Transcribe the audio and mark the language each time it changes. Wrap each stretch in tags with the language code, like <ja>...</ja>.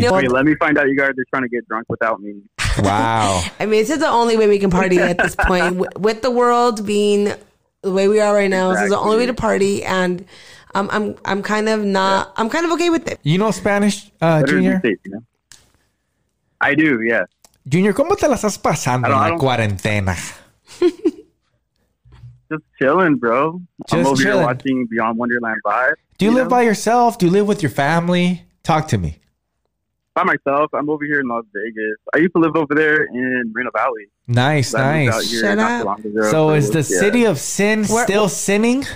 <en>You know, let me find out you guys are trying to get drunk without me. Wow. I mean, this is the only way we can party at this point. With the world being the way we are right now, exactly, this is the only way to party, and I'm kind of not. Yeah. I'm kind of okay with it. You know Spanish, Junior? I do. Yeah.</en> <es>Junior, ¿cómo te las estás pasando en la cuarentena?</es> <en>Just chilling, bro. Just I'm over chilling. Here watching Beyond Wonderland Live. Do you live by yourself? Do you live with your family? Talk to me. By myself, I'm over here in Las Vegas. I used to live over there in Reno Valley. Nice, nice. Shut up. So is the city of sin still sinning?</en>